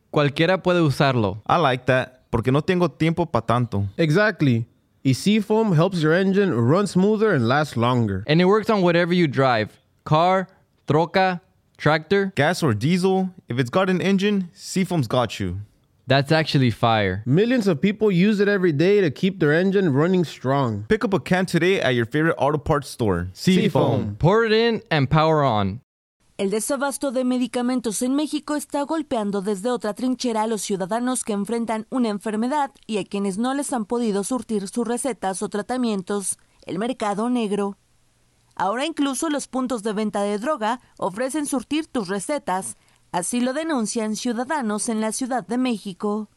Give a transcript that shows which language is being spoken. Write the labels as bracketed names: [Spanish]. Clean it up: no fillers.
[Spanish] Cualquiera puede usarlo. [English] I like that. [Spanish] Porque no tengo tiempo pa tanto. [English] Exactly. Y Seafoam helps your engine run smoother and last longer. And it works on whatever you drive. Car, troca, tractor. Gas or diesel. If it's got an engine, Seafoam's got you. That's actually fire. Millions of people use it every day to keep their engine running strong. Pick up a can today at your favorite auto parts store. Seafoam. Pour it in and power on. [Spanish] El desabasto de medicamentos en México está golpeando desde otra trinchera a los ciudadanos que enfrentan una enfermedad y a quienes no les han podido surtir sus recetas o tratamientos, el mercado negro. Ahora incluso los puntos de venta de droga ofrecen surtir tus recetas, así lo denuncian ciudadanos en la Ciudad de México.